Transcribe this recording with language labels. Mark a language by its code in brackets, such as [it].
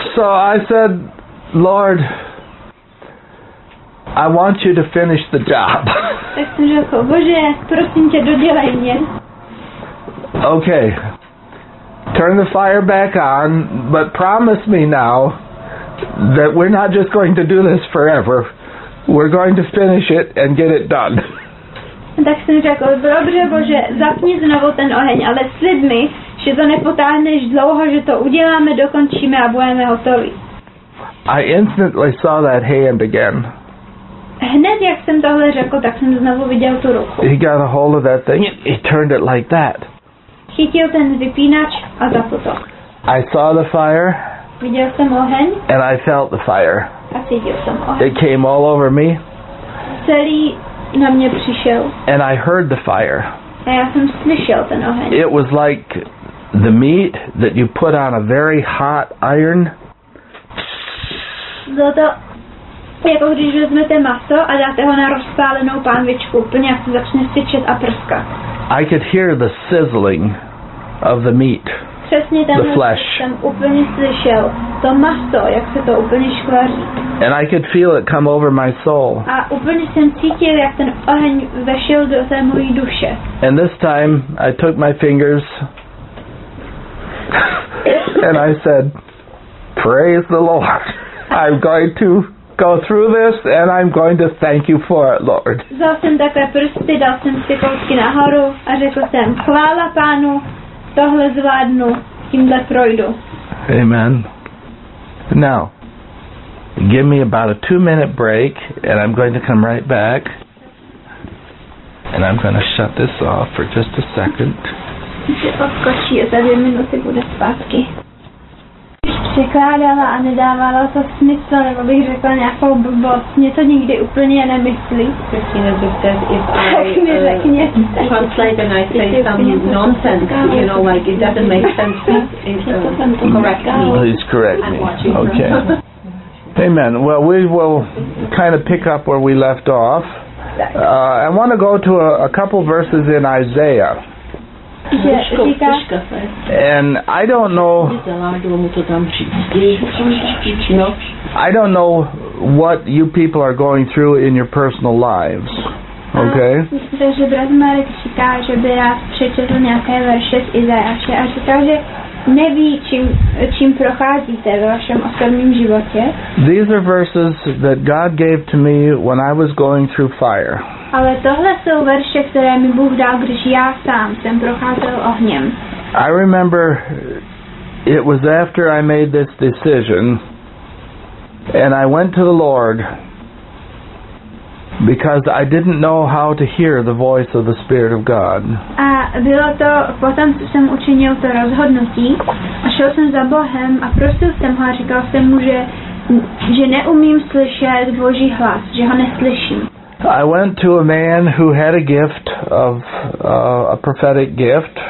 [en] So I said, Lord, I want you to finish the job. [cs] Tak jsem řekl, Bože, prosím tě, dodělej mě. [en] Okay. Turn the fire back on, but promise me now that we're not just going to do this forever. We're going to finish it and get it done. [cs] Tak jsem řekl, dobře Bože, zapni znovu ten oheň, ale slib mi, že to nepotáhneš dlouho, že to uděláme, dokončíme a budeme hotoví. [en] I instantly saw that hand again. [cs] Hned jak jsem tohle řekl, tak jsem znovu viděl tu ruku. [en] He got a hold of that thing, he turned it like that. [cs] Chytil ten vypínač a zapl to. [en] I saw the fire. [cs] Viděl jsem oheň. [en] And I felt the fire. [cs] A cítil jsem oheň. [en] It came all over me. [cs] Celý na mě přišel. [en] And I heard the fire. [cs] A já jsem slyšel ten oheň. [en] It was like the meat that you put on a very hot iron. [cs] Bylo to jako když vezmete maso a dáte ho na rozpálenou pánvičku, úplně jak se začne syčet a prskat. [en] I could hear the sizzling of the meat. [cs] Přesně tam [en] the flesh. [cs] Jsem úplně slyšel to maso, jak se to úplně škvaří. [en] And I could feel it come over my soul. [cs] A úplně jsem cítil, jak ten oheň vešel do té mojí duše. [en] And this time I took my fingers and I said, "Praise the Lord. I'm going to go through this and I'm going to thank you for it, Lord." [cs] Vzal jsem takové prsty, dal jsem si kousky nahoru a řekl jsem, chvála pánu, tohle zvládnu, tímhle projdu. [en] Amen. Now, give me about a 2-minute break and I'm going to come right back. And I'm going to shut this off for just a second. [cs] Odskočí a za 2 minuty bude zpátky. Překládala a nedávala to smysl, nebo bych řekla nějakou blbost. Mě to nikdy úplně nemyslí. [en] Christina, if I, [cs] tak mi řekně. [en] Translate and I say some nonsense, you know, like it doesn't make sense. Correct me. Please correct me. Okay. Amen. Well, we will kind of pick up where we left off. I want to go to a couple verses in Isaiah. And I don't know what you people are going through in your personal lives. Okay? [cs] Takže Brazmarek říká, že by rád přečetl nějaké verše z Izajáše a říká, že neví, čím procházíte ve vašem osobním životě. [en] These are verses that God gave to me when I was going through fire. [cs] Ale tohle jsou verše, které mi Bůh dal, když já sám jsem procházel ohněm. [en] I remember it was after I made this decision and I went to the Lord because I didn't know how to hear the voice of the Spirit of God. [cs] A bylo to potom, co jsem učinil to rozhodnutí a šel jsem za Bohem a prosil jsem ho a říkal jsem mu, že neumím slyšet Boží hlas, že ho neslyším. [en] I went to a man who had a gift of a prophetic gift.